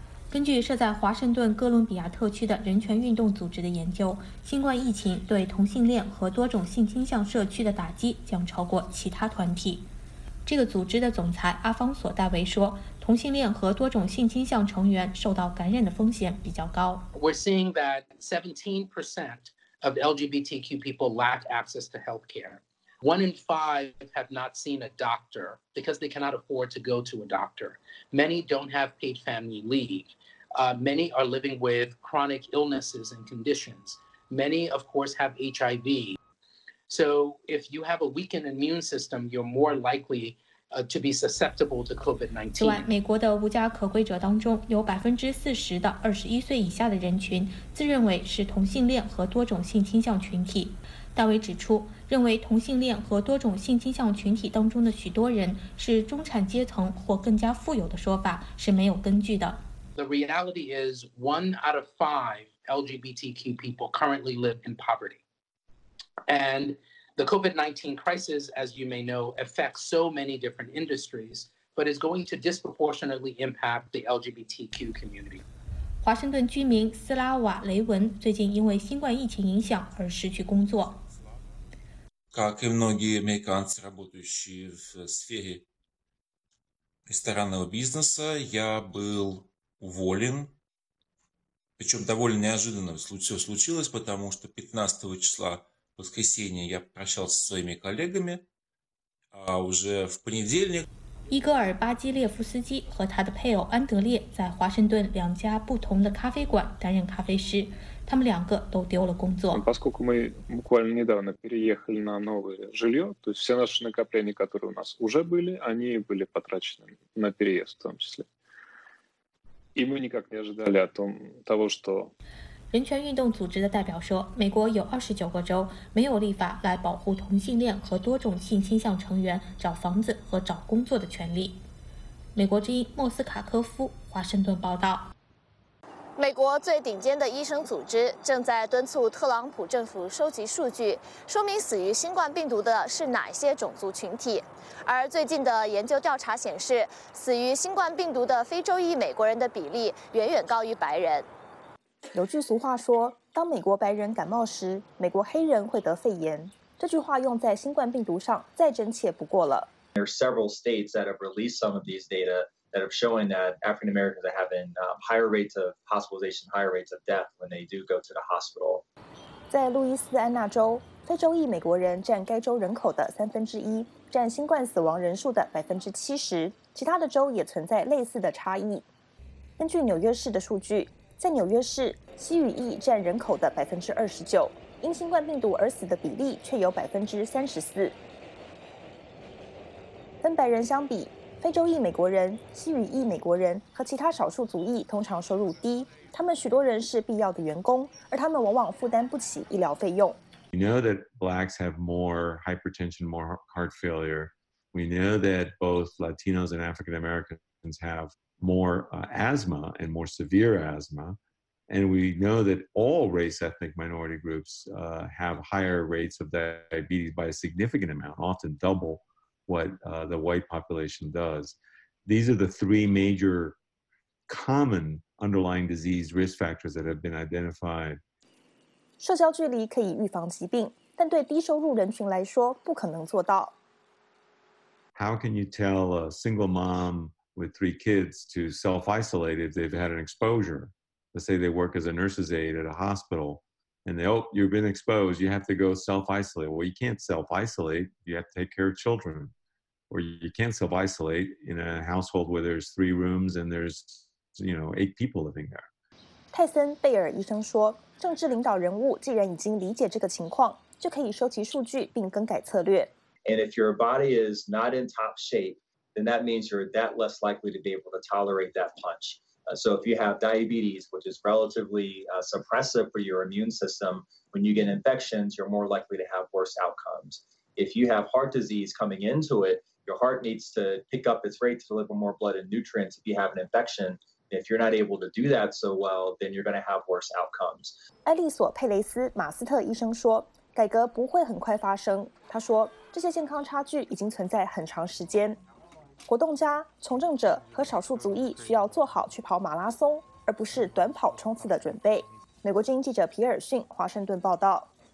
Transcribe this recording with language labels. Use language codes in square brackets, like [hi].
[zh] 根据设在华盛顿哥伦比亚特区的人权运动组织的研究，新冠疫情对同性恋和多种性倾向社区的打击将超过其他团体。这个组织的总裁阿方索·戴维说，同性恋和多种性倾向成员受到感染的风险比较高。 [en] We're seeing that 17% of LGBTQ people lack access to healthcare. One in five have not seen a doctor because they cannot afford to go to a doctor. Many don't have paid family leave. Many are living with chronic illnesses and conditions. Many, of course, have HIV. So if you have a weakened immune system, you're more likely. To be susceptible to COVID-19. [zh] 此外，美国的无家可归者当中有40%的21岁以下的人群自认为是同性恋和多种性倾向群体。戴维指出，认为同性恋和多种性倾向群体当中的许多人是中产阶层或更加富有的说法是没有根据的。 [en] The reality is one out of five LGBTQ people currently live in poverty. AndThe COVID-19 crisis, as you may know, affects so many different industries, but is going to disproportionately impact the LGBTQ community. [zh] 华盛顿居民斯拉瓦·雷文最近因为新冠疫情影响而失去工作。 [ru] Как и многие американцы, работающие в сфере ресторанного бизнеса, я был уволен. Причем довольно неожиданно все случилось, потому что 15 числа В воскресенье я прощался со своими коллегами, а уже в понедельник... Игорь Бадилев-Сиди и его партнер Андре в Вашингтоне два разных кафе-кафе работают. Они оба потеряли работу. Поскольку мы буквально недавно переехали на новое жилье, то есть все наши накопления, которые у нас уже были, они были потрачены на переезд в том числе. И мы никак не ожидали того, что... [zh] 人权运动组织的代表说，美国有29个州没有立法来保护同性恋和多种性倾向成员找房子和找工作的权利。美国之音莫斯卡科夫华盛顿报道。美国最顶尖的医生组织正在敦促特朗普政府收集数据，说明死于新冠病毒的是哪些种族群体。而最近的研究调查显示，死于新冠病毒的非洲裔美国人的比例远远高于白人。有句俗话说，当美国白人感冒时，美国黑人会得肺炎。这句话用在新冠病毒上再真切不过了。 [en] There are several states that have released some of these data that have shown that African Americans are having higher rates of hospitalization, higher rates of death when they do go to the hospital. [zh] 在路易斯安那州，非洲裔美国人占该州人口的1/3，占新冠死亡人数的70%，其他的州也存在类似的差异。根据纽约市的数据。在纽约市，西语裔占人口的29%，因新冠病毒而死的比例却有34%。跟白人相比，非洲裔美国人、西语裔美国人和其他少数族裔通常收入低，他们许多人是必要的员工，而他们往往负担不起医疗费用。 [en] We know that blacks have more hypertension, more heart failure. We know that both Latinos and African Americans have. More asthma and more severe asthma, and we know that all race ethnic minority groups have higher rates of diabetes by a significant amount, often double what the white population does. These are the three major common underlying disease risk factors that have been identified. [zh] 社交距离可以预防疾病，但对低收入人群来说不可能做到。 [en] how can you tell a single mom with three kids to self-isolate if they've had an exposure? Let's say they work as a nurse's aide at a hospital and they, oh, you've been exposed, you have to go self-isolate. Well, you can't self-isolate, you have to take care of children. Or you can't self-isolate in a household where there's three rooms and there's, you know, eight people living there. [zh] 泰森·贝尔医生说，政治领导人物既然已经理解这个情况，就可以收集数据并更改策略。 [en] And if your body is not in top shape, then that means you're that less likely to be able to tolerate that punch. So if you have diabetes, which is relatively suppressive for your immune system, when you get infections, you're more likely to have worse outcomes. If you have heart disease coming into it, your heart needs to pick up its rate to deliver more blood and nutrients if you have an infection. If you're not able to do that so well, then you're going to have worse outcomes. [zh] 埃利索·佩雷斯·马斯特医生说，改革不会很快发生。他说，这些健康差距已经存在很长时间。活动家、从政者和少数族裔需要做好去跑马拉松，而不是短跑冲刺的准备。美国之音记者皮尔逊，华盛顿报道。